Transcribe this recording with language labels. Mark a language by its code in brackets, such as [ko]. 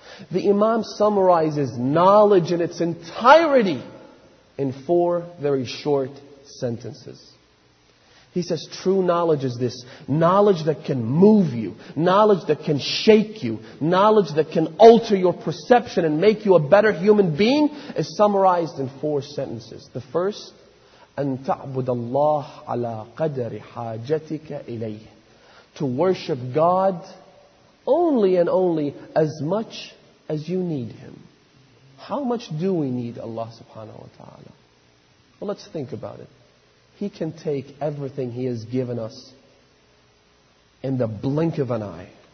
[en] The Imam summarizes knowledge in its entirety in four very short sentences. He says, true knowledge is this, knowledge that can move you, knowledge that can shake you, knowledge that can alter your perception and make you a better human being, is summarized in four sentences. The first, [ar] أن تعبد الله على قدر حاجتك إليه. [en] To worship God only and only as much as you need Him. How much do we need Allah subhanahu wa ta'ala? Well, let's think about it. He can take everything He has given us in the blink of an eye.